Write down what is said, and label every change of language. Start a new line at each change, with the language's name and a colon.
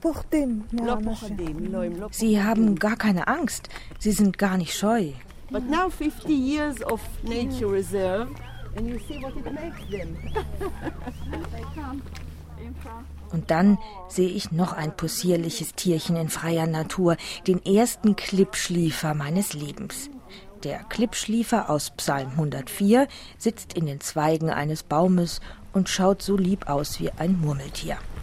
German: Sie haben gar keine Angst, sie sind gar nicht scheu.
English: But now 50 years of nature reserve, and you see what it makes them.
German: Und dann sehe ich noch ein possierliches Tierchen in freier Natur, den ersten Klippschliefer meines Lebens. Der Klippschliefer aus Psalm 104 sitzt in den Zweigen eines Baumes und schaut so lieb aus wie ein Murmeltier.